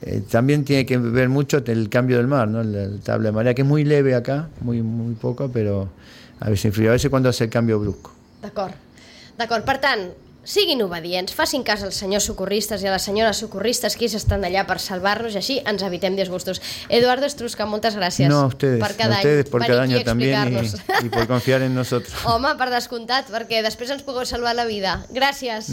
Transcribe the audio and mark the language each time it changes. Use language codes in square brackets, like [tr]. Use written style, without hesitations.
[es] También tiene que ver mucho el cambio del mar, ¿no? La tabla de marea, que es muy leve acá, muy, muy poco, pero a veces influye. A veces cuando hace el cambio brusco. [ca] D'acord. Per tant, siguin obedients, facin cas als senyors socorristes i a les senyores socorristes que estan allà per salvar-nos, i així ens evitem disgustos. Eduardo Estrusca, moltes gràcies. [es] No, a ustedes, per cada ustedes por cada año también y por confiar en nosotros. [ca] Home, per descomptat, perquè després ens pugueu salvar la vida. Gràcies.